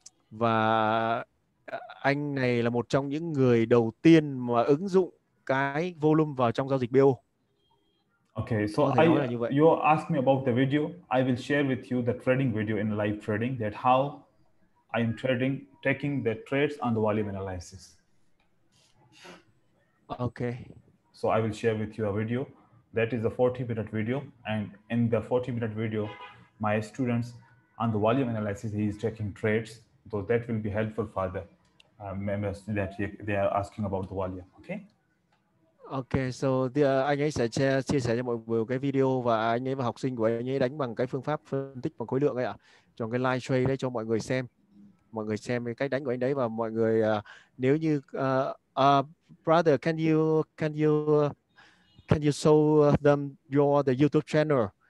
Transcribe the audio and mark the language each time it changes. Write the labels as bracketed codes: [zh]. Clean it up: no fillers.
[vi] Và anh này là một trong những người đầu tiên mà ứng dụng cái volume vào trong giao dịch BO. [en] Okay, so you ask me about the video, I will share with you the trading video in live trading, that how I am trading, taking the trades on the volume analysis. Okay. So I will share with you a video. That is a 40-minute video, and in the 40-minute video, my students on the volume analysis, he is taking trades. So that will be helpful for the members that they are asking about the volume. Okay. Okay. [vi] So anh ấy sẽ chia sẻ cho mọi người cái video, và anh ấy và học sinh của anh ấy đánh bằng cái phương pháp phân tích bằng khối lượng ấy ạ, trong cái live trade đấy cho mọi người xem. Mọi người xem cái cách đánh của anh đấy, và mọi người nếu như [en] brother, can you show them the YouTube channel?